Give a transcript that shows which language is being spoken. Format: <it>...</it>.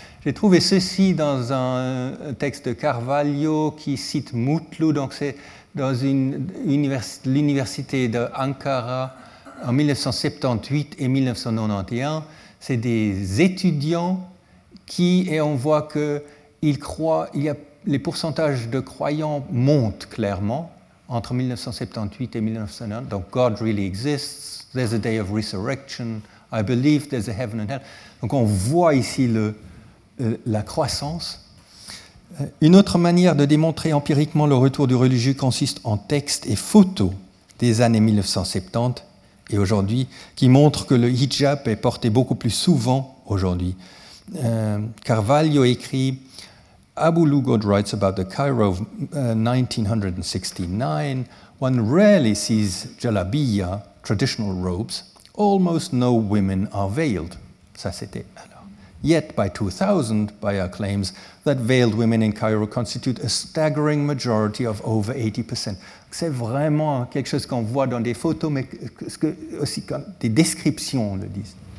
<fr>J'ai trouvé ceci dans un texte de Carvalho qui cite Mutlu, donc c'est dans l'université de Ankara en 1978 et 1991. C'est des étudiants qui, et on voit que ils croient, les pourcentages de croyants montent clairement entre 1978 et 1990.</fr> <en>Donc, God really exists, there's a day of resurrection, I believe there's a heaven and hell.</en> <fr>Donc, on voit ici la croissance. Une autre manière de démontrer empiriquement le retour du religieux consiste en textes et photos des années 1970. Et aujourd'hui, qui montre que le hijab est porté beaucoup plus souvent aujourd'hui.</fr> <en>Carvalho écrit « Abu Lugod writes about the Cairo of 1969. One rarely sees jalabiya, traditional robes. Almost no women are veiled. »</en> <fr>Ça, c'était alors. «</fr> <en>Yet by 2000, Bayar claims that veiled women in Cairo constitute a staggering majority of over 80%.</en> <fr>» C'est vraiment quelque chose qu'on voit dans des photos, mais aussi quand des descriptions le disent.</fr>